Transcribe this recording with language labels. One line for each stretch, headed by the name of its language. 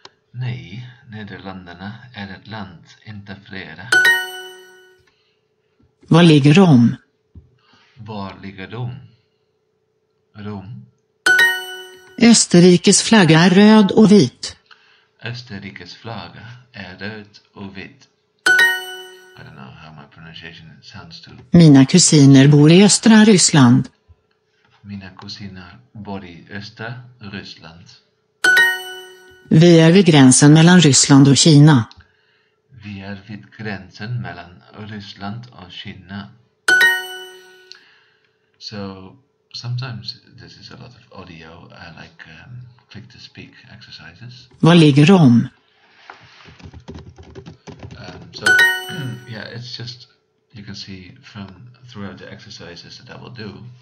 Swedish: Nej, Nederländerna är ett land, inte flera. Var ligger Rom? Var ligger Rom? Rom. Österrikes flagga är röd och vit. Österrikes flagga är röd och vit.
English: I don't know how my pronunciation sounds too.
Swedish: Mina kusiner bor I östra Ryssland. Mina kusiner bor I östra Ryssland. Vi är vid gränsen mellan Ryssland och Kina. Vi är vid gränsen mellan Ryssland och Kina.
English: So, sometimes this is a lot of audio. I like click to speak exercises.
Swedish: Var ligger Rom?
English: Yeah, it's just you can see from throughout the exercises that I will do.